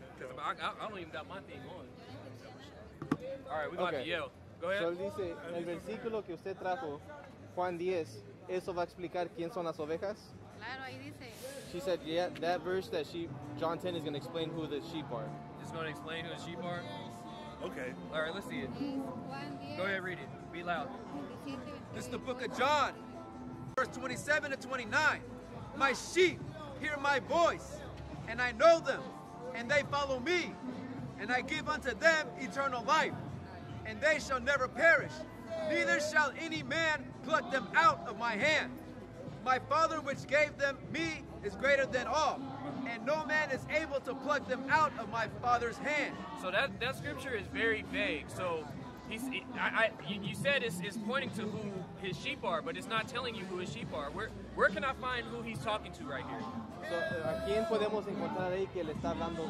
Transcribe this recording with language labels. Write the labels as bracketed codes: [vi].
[en] because I don't even got my thing on. All right, we're going to have to yell. [es] So dice, el versículo que usted trajo, Juan 10, ¿eso va a explicar quién son las ovejas? Claro, ahí dice. [en] She said, yeah, that verse that she, John 10, is going to explain who the sheep are. It's going to explain who the sheep are? Okay. All right, let's see it. Go ahead, read it. Be loud. This is the book of John, verse 27 to 29. My sheep hear my voice, and I know them, and they follow me, and I give unto them eternal life. And they shall never perish, neither shall any man pluck them out of my hand. My Father which gave them me is greater than all, and no man is able to pluck them out of my Father's hand. So that scripture is very vague. So you said it's pointing to who his sheep are, but it's not telling you who his sheep are. Where can I find who he's talking to right here? [es] So, ¿a quién podemos encontrar ahí que le está hablando?